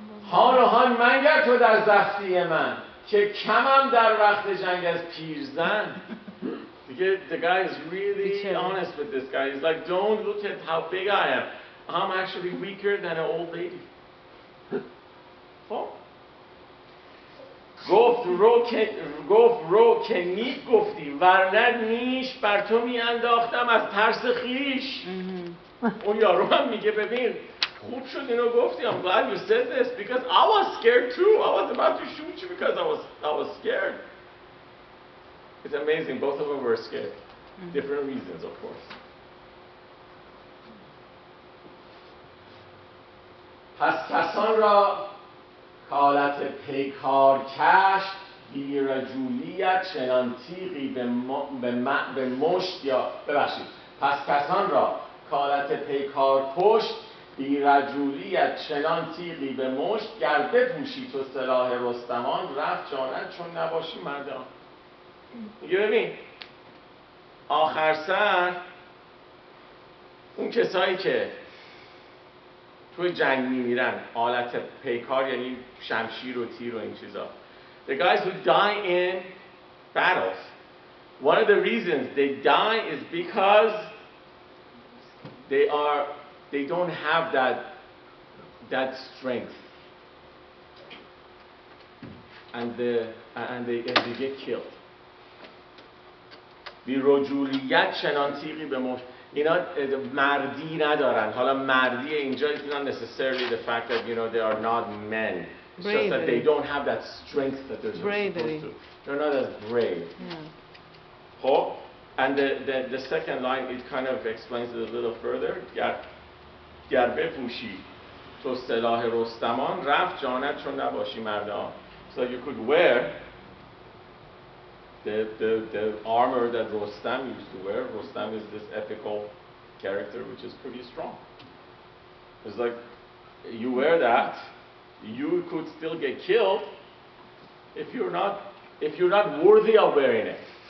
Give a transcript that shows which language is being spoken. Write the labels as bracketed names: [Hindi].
[Persian] حال و حال منگر تو در زفتی من که کمم در وقت جنگ از پیرزن. [English] دیگه the guy is really honest with this guy. He's like, don't look at how big I am. I'm actually weaker than an old lady. [Persian] گفت رو که نیک گفتی ورنه نیش بر تو می انداختم از ترس خیش. اون یارو هم میگه ببین خوب شد اینو گفتی. [English] I'm glad you said this because I was scared too. I was about to shoot you because I was scared. It's amazing. Both of them were scared. Different reasons, of course. [Persian] پس کسان را کالت پیکار کش بیرجولیت چنان تیغی به مشت یا ببخشید. پس کسان را کالت پیکار پشت بی رجولی از چنان تیغی به مشت گرده پوشی تو سلاح رستمان رفت جانت چون نباشی مردان. یه ببین آخر سر اون کسایی که توی جنگ میمیرن آلت پیکار یعنی شمشیر و تیر و این چیزا. [English] The guys who die in battles. One of the reasons they die is because they don't have that strength. And they get killed. [Persian] بی رجولیت چنان تیغی به مشت. اینا مردی ندارن. حالا مردی اینجا [English] is not necessarily the fact that, you know, they are not men. It's bravery. Just that they don't have that strength that they're supposed to. They're not as brave. Yeah. Ho? And the second line, it kind of explains it a little further. [Persian] گر بپوشی تو سلاح رستمان رفت جانت چون نباشی مردان. [English] So you could wear the armor that Rostam used to wear. Rostam is this epical character which is pretty strong. It's like, you wear that, you could still get killed if you're not worthy of wearing it.